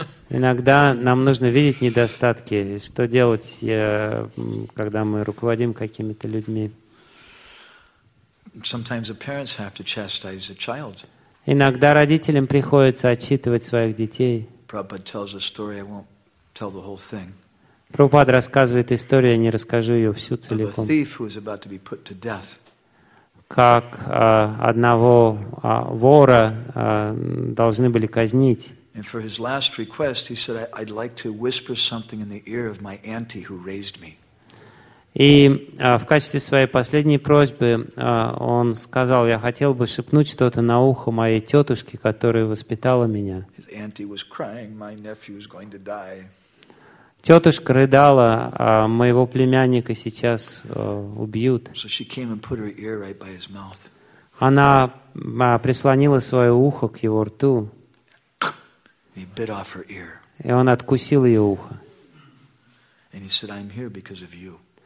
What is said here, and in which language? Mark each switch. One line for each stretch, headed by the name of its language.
Russian: Иногда нам нужно видеть недостатки. Что делать, когда мы руководим какими-то людьми?
English: Sometimes the parents have to chastise the child.
Russian: Иногда родителям приходится отчитывать своих детей.
English: Prabhupada tells a story, I won't tell the whole thing.
Russian: Прабхупада рассказывает историю, я не расскажу ее всю целиком.
English: The thief who is about to be put to death.
Russian: Как одного вора должны были казнить.
English: And for his last request, he said, "I'd like to whisper something in the ear of my auntie who raised me."
Russian: И в качестве своей последней просьбы он сказал, я хотел бы шепнуть что-то на ухо моей тетушке, которая воспитала меня.
English: His auntie was crying. My nephew is going to die.
Russian: Тетушка рыдала, а моего племянника сейчас убьют.
English: So she came and put her ear right by his mouth.
Russian: Она прислонила свое ухо к его рту.
English: And he bit off her ear.
Russian: И он откусил ее ухо.
English: And he said, "I'm here because of you."